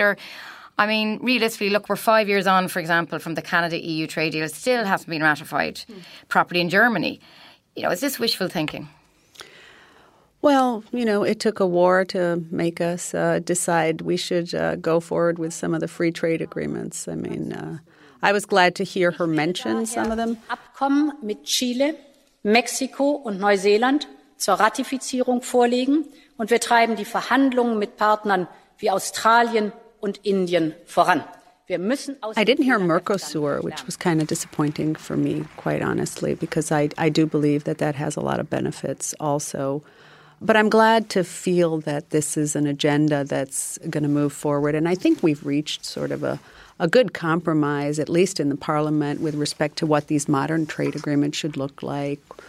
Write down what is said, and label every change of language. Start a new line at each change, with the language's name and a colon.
English: Or, I mean, realistically, look, we're 5 years on, for example, from the Canada-EU trade deal. It still hasn't been ratified properly in Germany. You know, is this wishful thinking? Well, you know, it took a war to make us decide we should go forward with some of the free trade agreements. I mean, I was glad to hear her mention some of them.
German: Abkommen mit Chile, Mexiko und Neuseeland zur Ratifizierung vorlegen, und wir treiben die Verhandlungen mit Partnern wie Australien und Indien voran.
English: I didn't hear Mercosur, which was kind of disappointing for me, quite honestly, because I do believe that that has a lot of benefits also. But I'm glad to feel that this is an agenda that's going to move forward. And I think we've reached sort of a good compromise, at least in the parliament, with respect to what these modern trade agreements should look like,